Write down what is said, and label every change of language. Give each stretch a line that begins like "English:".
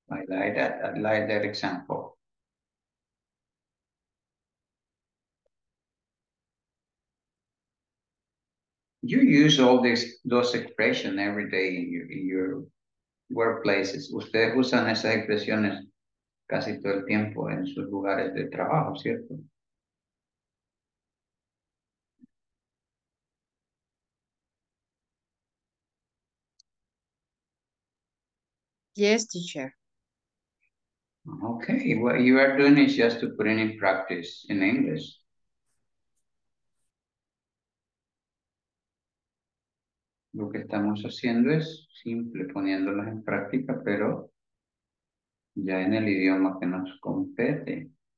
English: I like that example. You use all those expressions every day in your workplaces.
Spanish: Ustedes usan esas expresiones casi todo el tiempo en sus lugares de trabajo, ¿cierto?
English: Yes, teacher. Okay, what you are doing is just to put it in practice in English.
Spanish: Lo que estamos haciendo es simple, poniéndolas en práctica, pero ya en el idioma que nos compete.